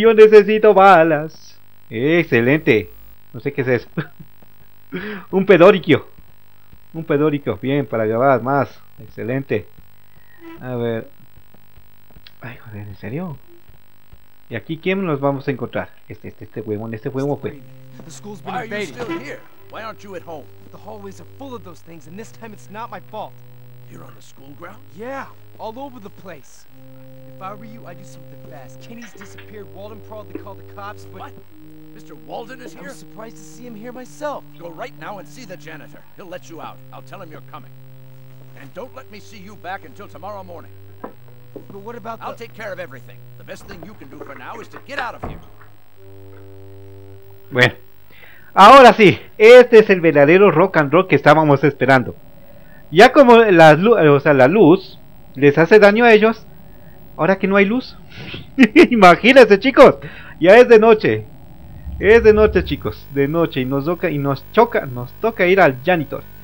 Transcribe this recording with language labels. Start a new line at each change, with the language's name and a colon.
Spanish: Yo necesito balas. Excelente. No sé qué es eso. Un pedoriquio. Un pedoriquio. Bien, para grabar más. Excelente. A ver. Ay, joder, ¿en serio? ¿Y aquí quién nos vamos a encontrar? Este huevón fue.
English: The school's been invaded. Why are you still here? Why aren't you at home? The hallways are full of those things, and this time it's not my fault. You're on the school ground? Yeah, all over the place. If I were you, I'd do something fast. Kenny's disappeared. Walden probably called the cops, but... What? Mr. Walden is here? I'm surprised to see him here myself. Go right now and see the janitor. He'll let you out. I'll tell him you're coming. And don't let me see you back until tomorrow morning. But what about the... I'll take care of everything. The best thing you can do for now is to get out of here.
Spanish: Bueno, ahora sí, este es el verdadero rock and roll que estábamos esperando. Ya como la luz les hace daño a ellos, ahora que no hay luz. Imagínense, chicos, ya es de noche. Es de noche, chicos, de noche, y nos toca ir al janitor.